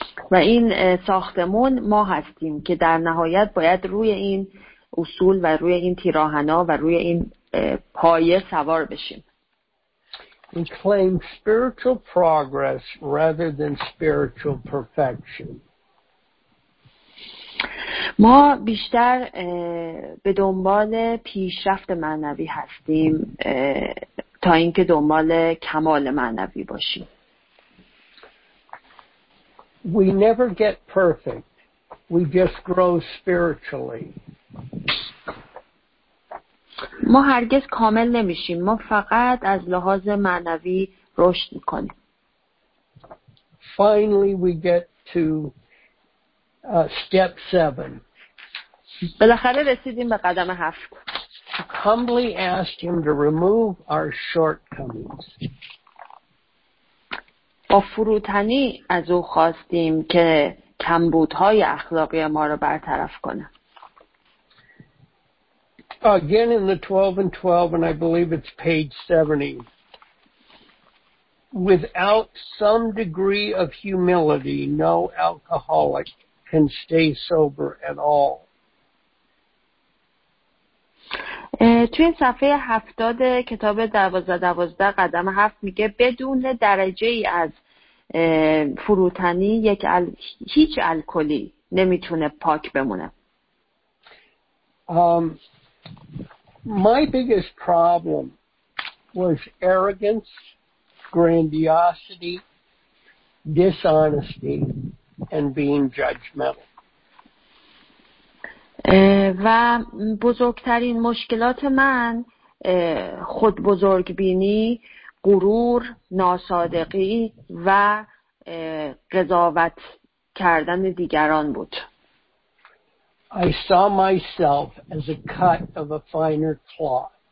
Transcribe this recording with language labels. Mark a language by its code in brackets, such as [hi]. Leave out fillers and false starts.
[fa] و این ساختمون ما هستیم که در نهایت باید روی این اصول و روی این تیراهنا و روی این پایه سوار بشیم. [en] We claim spiritual progress rather than spiritual perfection. [fa] ما بیشتر به دنبال پیشرفت معنوی هستیم تا اینکه دنبال کمال معنوی باشیم. [en] We never get perfect. We just grow spiritually. [fa] ما هرگز کامل نمیشیم، ما فقط از لحاظ معنوی رشد میکنیم. [en] Finally we get to step 7. [fa] بالاخره رسیدیم به قدم 7. [en] Humbly ask him to remove our shortcomings. [fa] با فروتنی از او خواستیم که کمبودهای اخلاقی ما رو برطرف کنه. [en] Again in the 12 and 12, and I believe it's page 70. Without some degree of humility, no alcoholic can stay sober at all. [fa] توی صفحه 70 کتاب 12-12 قدم 7 میگه بدون درجه ای از فروتنی هیچ الکلی نمیتونه پاک بمونه. [en] My biggest problem was arrogance, grandiosity, dishonesty, and being judgmental. [fa] و بزرگترین مشکلات من خود بزرگ بینی، غرور، ناصادقی و قضاوت کردن دیگران بود. [en] I saw myself as a cut of a finer cloth.